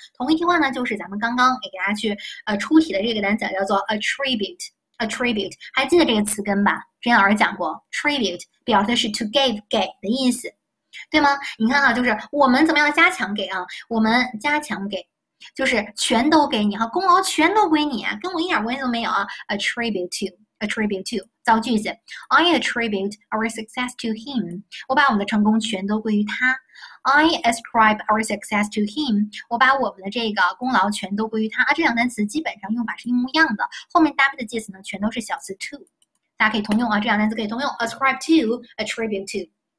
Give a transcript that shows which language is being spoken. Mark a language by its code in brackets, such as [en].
[zh] 同义替换呢，就是咱们刚刚给大家去出题的这个单词，叫做 attribute，还记得这个词根吧？之前老师讲过，tribute 表示的是 to give 给的意思。对吗？你看哈，就是我们怎么样加强给啊？我们加强给，就是全都给你哈，功劳全都归你啊，跟我一点关系都没有啊。 Attribute to 造句子， [en] I attribute our success to him， [zh] 我把我们的成功全都归于他。 [en] I ascribe our success to him， [zh] 我把我们的这个功劳全都归于他啊。这两单词基本上用法是一模一样的，后面搭配的介词呢全都是小词 to，大家可以通用啊，这两单词可以通用，ascribe to，attribute to。